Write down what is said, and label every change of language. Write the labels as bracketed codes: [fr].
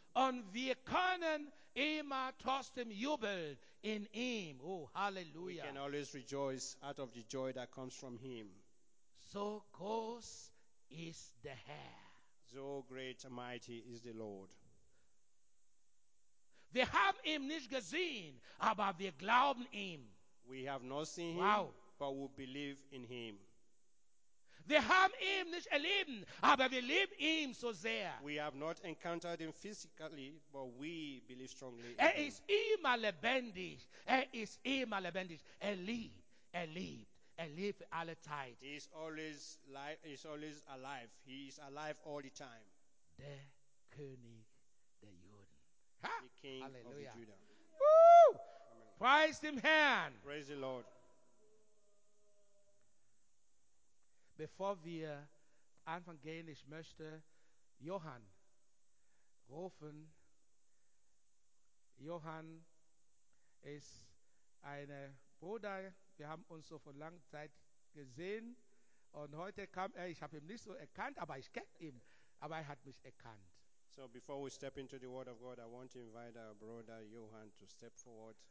[de] Und wir können immer trotzdem jubeln in ihm. Oh, Halleluja. [en] We can always rejoice out of the joy that comes from him. [de] So groß ist der Herr. [en] So great and mighty is the Lord. [de] Wir haben ihn nicht gesehen, aber wir glauben ihm. [en] We have not seen him, but we believe in him. [de] Wir haben ihn nicht erlebt, aber wir lieben ihn so sehr. [en] We have not encountered him physically, but we believe strongly in [de] him. Ist immer lebendig. Ist immer lebendig. Er lebt für alle Zeit. [en] He is always alive. He is alive all the time. [de] Der König der Juden. [en] Ha? The King Halleluja. Of the Judah. Woo! Amen. Praise him, Herrn. Praise the Lord. [de] Bevor wir anfangen gehen, ich möchte Johann rufen. Johann ist ein Bruder. Wir haben uns so vor langer Zeit gesehen. Und heute kam er. Ich habe ihn nicht so erkannt, aber ich kenne ihn. Aber er hat mich erkannt. [en] So before we step into the word of God, I want to invite our brother Johann to step forward.